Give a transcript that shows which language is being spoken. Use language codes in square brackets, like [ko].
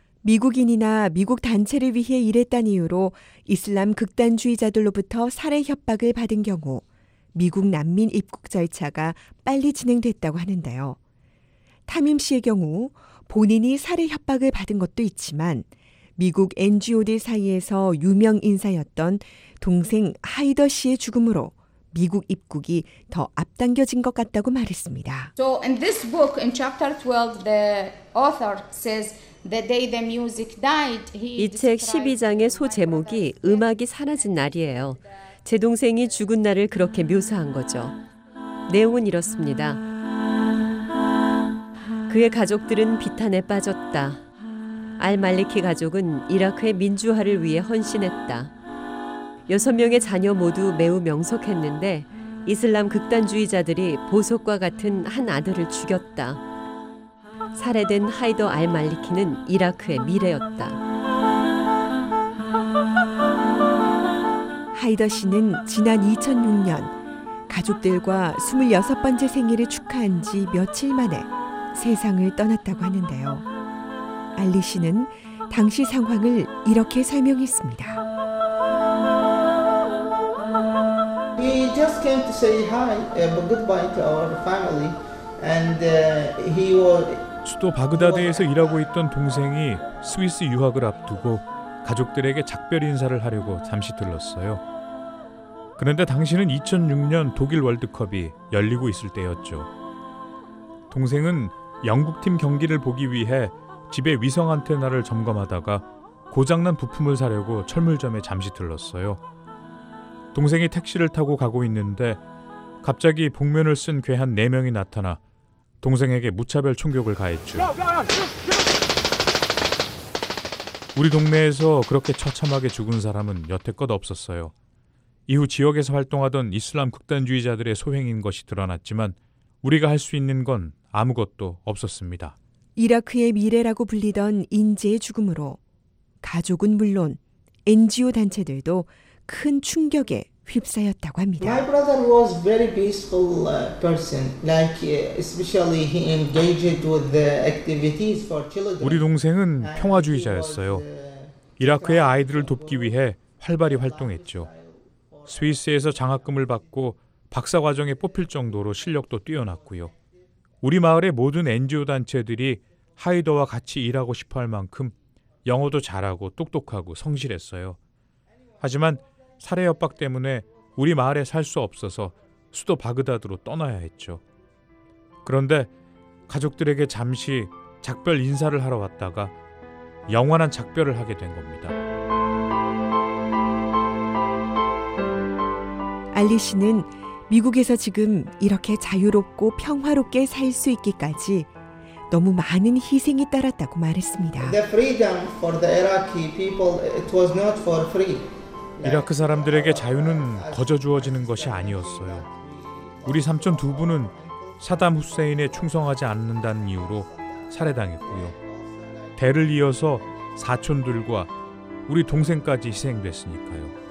[ko] 미국인이나 미국 단체를 위해 일했다는 이유로 이슬람 극단주의자들로부터 살해 협박을 받은 경우 미국 난민 입국 절차가 빨리 진행됐다고 하는데요. 타밈 씨의 경우 본인이 살해 협박을 받은 것도 있지만 미국 NGO들 사이에서 유명 인사였던 동생 하이더 씨의 죽음으로 미국 입국이 더 앞당겨진 것 같다고 말했습니다. [en] So in this book, in chapter 12, the author says the day the music died. [ko] 이 책 12장의 소제목이 음악이 사라진 날이에요. 제 동생이 죽은 날을 그렇게 묘사한 거죠. 내용은 이렇습니다. 그의 가족들은 비탄에 빠졌다. 알말리키 가족은 이라크의 민주화를 위해 헌신했다. 6명의 자녀 모두 매우 명석했는데 이슬람 극단주의자들이 보석과 같은 한 아들을 죽였다. 살해된 하이더 알말리키는 이라크의 미래였다. 하이더 씨는 지난 2006년 가족들과 26번째 생일을 축하한 지 며칠 만에 세상을 떠났다고 하는데요. 알리 씨는 당시 상황을 이렇게 설명했습니다. [en] He just came to say hi, goodbye to our family, and he was. [ko] 수도 바그다드에서 일하고 있던 동생이 스위스 유학을 앞두고 가족들에게 작별 인사를 하려고 잠시 들렀어요. 그런데 당시는 2006년 독일 월드컵이 열리고 있을 때였죠. 동생은 영국 팀 경기를 보기 위해 집에 위성 안테나를 점검하다가 고장난 부품을 사려고 철물점에 잠시 들렀어요. 동생이 택시를 타고 가고 있는데 갑자기 복면을 쓴 괴한 네 명이 나타나 동생에게 무차별 총격을 가했죠. 우리 동네에서 그렇게 처참하게 죽은 사람은 여태껏 없었어요. 이후 지역에서 활동하던 이슬람 극단주의자들의 소행인 것이 드러났지만 우리가 할 수 있는 건 아무것도 없었습니다. 이라크의 미래라고 불리던 인재의 죽음으로 가족은 물론 NGO 단체들도 큰 충격에 휩싸였다고 합니다. [en] My brother was very peaceful person, like especially he engaged with the activities for children. [ko] 우리 동생은 평화주의자였어요. 이라크의 아이들을 돕기 위해 활발히 활동했죠. 스위스에서 장학금을 받고 박사 과정에 뽑힐 정도로 실력도 뛰어났고요. 우리 마을의 모든 NGO 단체들이 하이더와 같이 일하고 싶어 할 만큼 영어도 잘하고 똑똑하고 성실했어요. 하지만 살해 협박 때문에 우리 마을에 살 수 없어서 수도 바그다드로 떠나야 했죠. 그런데 가족들에게 잠시 작별 인사를 하러 왔다가 영원한 작별을 하게 된 겁니다. 알리 씨는 미국에서 지금 이렇게 자유롭고 평화롭게 살 수 있기까지 너무 많은 희생이 따랐다고 말했습니다. [en] The freedom for the Iraqi people, it was not for free. [ko] 이라크 사람들에게 자유는 거저 주어지는 것이 아니었어요. 우리 삼촌 두 분은 사담 후세인에 충성하지 않는다는 이유로 살해당했고요. 대를 이어서 사촌들과 우리 동생까지 희생됐으니까요.